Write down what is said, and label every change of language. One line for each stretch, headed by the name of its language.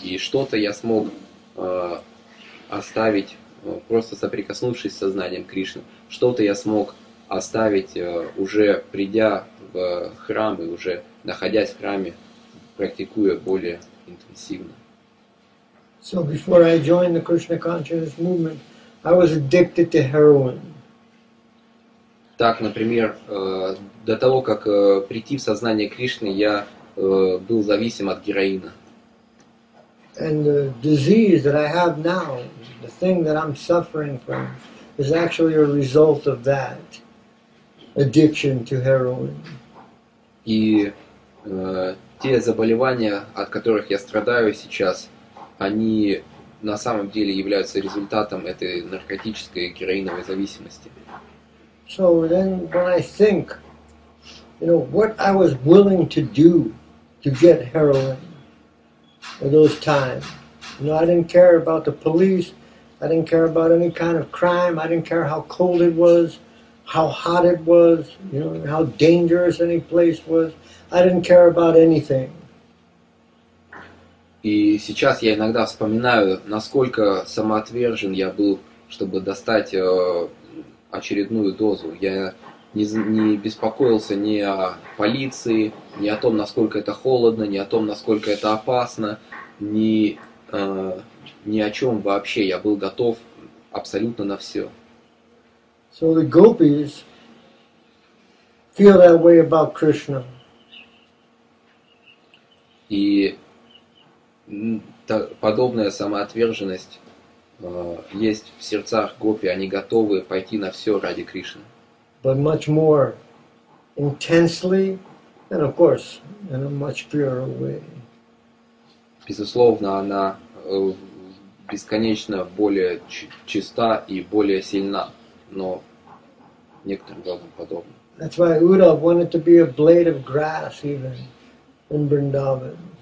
Russian: И что-то я смог оставить, просто соприкоснувшись с сознанием Кришны, что-то я смог оставить, уже придя в храм и уже находясь в храме, практикуя более интенсивно.
English: So before I joined the Krishna Consciousness Movement, I was addicted to heroin.
Russian: Так, например, до того, как прийти в сознание Кришны, я был зависим от героина.
English: And the disease that I have now, the thing that I'm suffering from, is actually a result of that addiction to heroin.
Russian: И те заболевания, от которых я страдаю сейчас, они на самом деле являются результатом этой наркотической героиновой зависимости.
English: So then when I think, you know, what I was willing to do to get heroin, at those times, you know, I didn't care about the police, I didn't care about any kind of crime, I didn't care how cold it was, how hot it was, you know, how dangerous any place was, I didn't care about anything.
Russian: И сейчас я иногда вспоминаю, насколько самоотвержен я был, чтобы достать очередную дозу. Я не беспокоился ни о полиции, ни о том, насколько это холодно, ни о том, насколько это опасно, ни о чем вообще. Я был готов абсолютно на все.
English: So the gopis feel that way about Krishna.
Russian: И подобная самоотверженность есть в сердцах гопи, они готовы пойти на все ради Кришны.
English: But much more intensely, and of course, in a much purer way.
Russian: Безусловно, она бесконечно более чиста и более сильна, но некоторым образом подобна.
English: That's why Uddhav wanted to be a blade of grass even in Vrindavan.